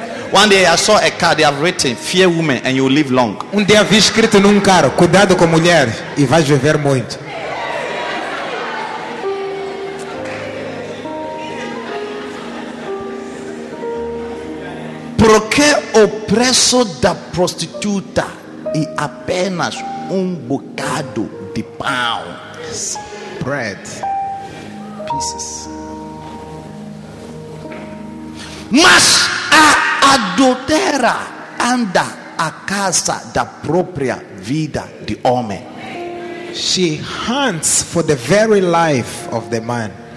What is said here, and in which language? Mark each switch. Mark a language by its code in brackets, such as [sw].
[en] One day I saw a card, they have written, fear women and you live long. [pt] Um dia vi escrito num carro, cuidado com mulher e vais viver muito. Porque o preço da prostituta é apenas um bocado de pão. [en] Yes. Bread. Pieces. [pt] Mas a adultera anda a casa da própria vida de homem. [en] She hunts for the very life of the man.